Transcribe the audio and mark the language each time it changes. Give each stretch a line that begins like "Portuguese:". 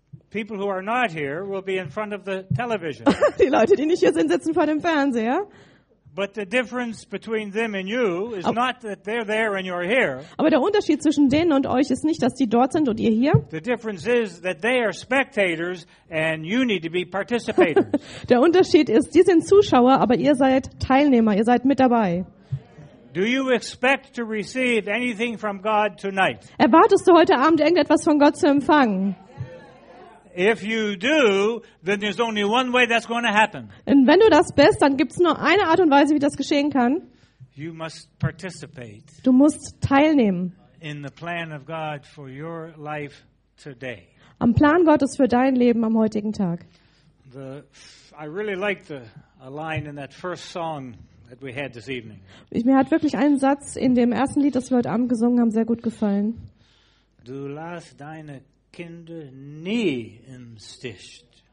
English: People who are not here will be in front of the television.
German: Die Leute, die nicht hier sind, sitzen vor dem Fernseher.
English: But the difference between them and you is not that they're there and you're here.
German: Aber der Unterschied zwischen denen und euch ist nicht, dass die dort sind und ihr hier.
English: The difference is that they are spectators and you need to be participators.
German: Der Unterschied ist, die sind Zuschauer, aber ihr seid Teilnehmer, ihr seid mit dabei.
English: Do you expect to receive anything from God tonight?
German: Erwartest du heute Abend irgendetwas von Gott zu empfangen?
English: If you do, then there's only one way that's going to happen.
German: Und wenn du das bist, dann gibt's nur eine Art und Weise, wie das geschehen kann.
English: You must participate.
German: Du musst teilnehmen.
English: In the plan of God for your life today.
German: Am Plan Gottes für dein Leben am heutigen Tag.
English: I really like a line in that first song that we had this evening.
German: Mir hat wirklich ein Satz in dem ersten Lied, das wir heute Abend gesungen haben, sehr gut gefallen. Du lass deine Kinder nie im Stich.